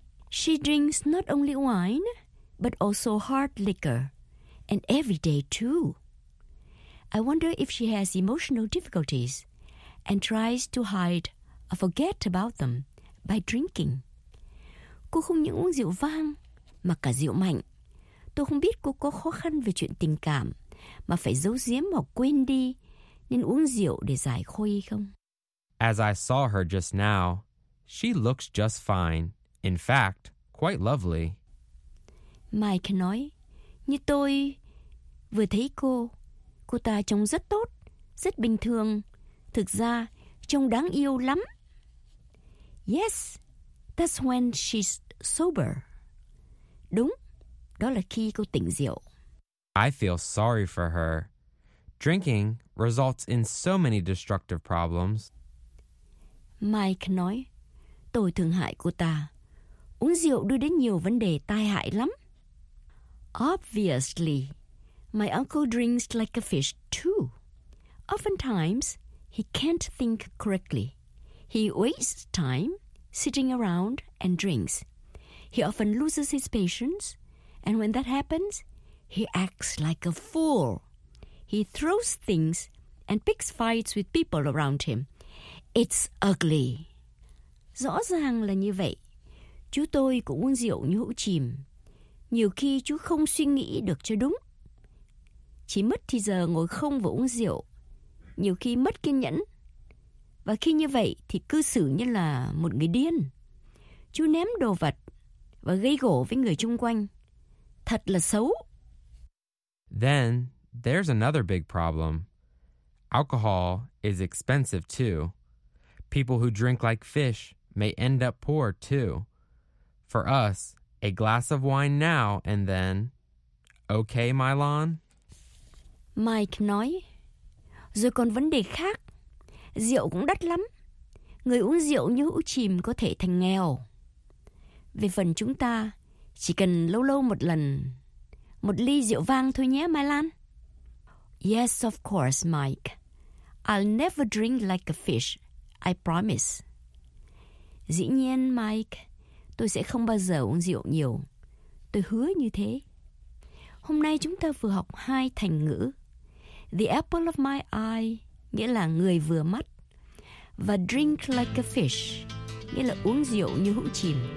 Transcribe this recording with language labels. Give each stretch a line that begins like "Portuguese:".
English: She drinks not only wine, but also hard liquor, and every day too. I wonder if she has emotional difficulties and tries to hide or forget about them by drinking.
Vietnamese: Cô không những uống rượu vang, mà cả rượu mạnh. Tôi không biết cô có khó khăn về chuyện tình cảm, mà phải giấu giếm hoặc quên đi, nên uống rượu để giải khuây không?
English: As I saw her just now, she looks just fine. In fact, quite lovely.
Vietnamese: Mike nói, như tôi vừa thấy cô. Cô ta trông rất tốt, rất bình thường. Thực ra, trông đáng yêu lắm.
English: Yes, that's when she's sober.
Vietnamese: Đúng, đó là khi cô tỉnh rượu.
English: I feel sorry for her. Drinking results in so many destructive problems.
Vietnamese: Mike nói, tôi thương hại cô ta. Uống rượu đưa đến nhiều vấn đề tai hại lắm.
English: Obviously, my uncle drinks like a fish too. Oftentimes, he can't think correctly. He wastes time sitting around and drinks. He often loses his patience, and when that happens, he acts like a fool. He throws things and picks fights with people around him. It's ugly.
Vietnamese: Rõ ràng là như vậy. Chú tôi cũng uống rượu như hũ chìm. Nhiều khi chú không suy nghĩ được cho đúng. Chỉ mất thì giờ ngồi không và uống rượu. Nhiều khi mất kiên nhẫn. Và khi như vậy thì cư xử như là một người điên. Chú ném đồ vật và gây gổ với người chung quanh. Thật là xấu.
English: Then, there's another big problem. Alcohol is expensive too. People who drink like fish may end up poor too. For us, a glass of wine now and then. Okay, Mylon?
Vietnamese: Mike nói, rồi còn vấn đề khác. Rượu cũng đắt lắm. Người uống rượu như hũ chìm có thể thành nghèo. Về phần chúng ta, chỉ cần lâu lâu một lần, một ly rượu vang thôi nhé, Mylon.
English: Yes, of course, Mike. I'll never drink like a fish. I promise.
Vietnamese: Dĩ nhiên, Mike, tôi sẽ không bao giờ uống rượu nhiều. Tôi hứa như thế. Hôm nay chúng ta vừa học hai thành ngữ.
English: The apple of my eye,
Vietnamese: nghĩa là người vừa mắt. Và
English: drink like a fish,
Vietnamese: nghĩa là uống rượu như hũ chìm.